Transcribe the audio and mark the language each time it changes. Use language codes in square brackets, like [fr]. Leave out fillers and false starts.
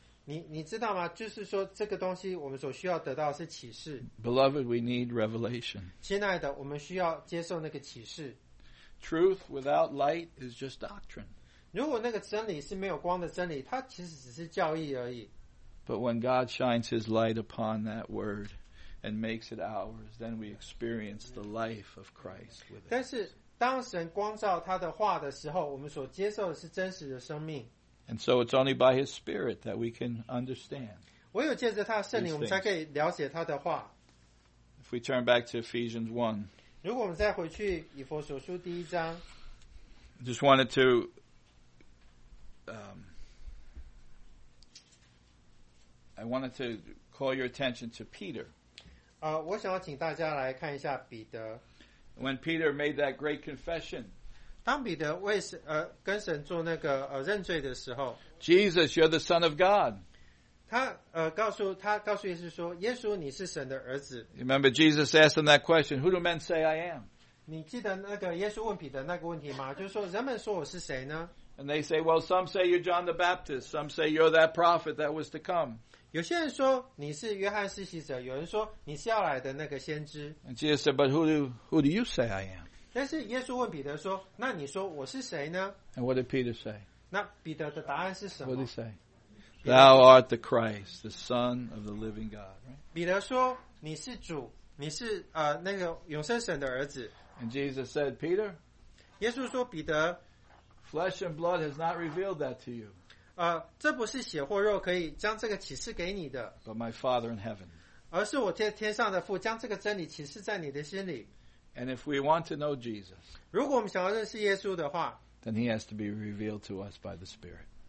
[zh] 你知道吗? 就是说这个东西我们所需要得到的是启示。 [en] Beloved, we need revelation. [zh] 亲爱的,我们需要接受那个启示。 [en] Truth without light is just doctrine. [zh] 如果那个真理是没有光的真理,它其实只是教义而已。 [en] But when God shines His light upon that word and makes it ours, then we experience the life of Christ with it. [zh] 但是当神光照他的话的时候,我们所接受的是真实的生命。 [en] And so it's only by His Spirit that we can understand. [zh] 唯有借着他的圣灵,我们才可以了解他的话。 [en] If we turn back to Ephesians 1, [zh] 如果我们再回去以弗所书第一章, [en] just wanted to I wanted to call your attention to Peter. [zh] 我想要请大家来看一下彼得。 [en] When Peter made that great confession, [zh] 当彼得跟神做那个认罪的时候, [en] Jesus, you're the Son of God. [zh] 他告诉耶稣说, 耶稣你是神的儿子。 [en] Remember Jesus asked them that question, who do men say I am? [zh] 你记得耶稣问彼得那个问题吗?就是说人们说我是谁呢? [en] And they say, well, some say you're John the Baptist, some say you're that prophet that was to come. [zh] 有些人说你是约翰施洗者, 有人说你是要来的那个先知。 [en] And Jesus said, but who do you say I am? [zh] 但是耶稣问彼得说, 那你说我是谁呢? [en] And what did Peter say? [zh] 那彼得的答案是什么? [en] What did he say? Thou art the Christ, the Son of the living God. Right? [zh] 彼得说,你是主,你是那个永生神的儿子。 [en] And Jesus said, Peter, [zh] 耶稣说,彼得, [en] flesh and blood has not revealed that to you. [zh] 这不是血或肉可以将这个启示给你的, [en] but my Father in heaven. [zh] 而是我天上的父将这个真理启示在你的心里。 [en] And if we want to know Jesus, [zh] 如果我们想要认识耶稣的话, [en] then he has to be revealed to us by the Spirit.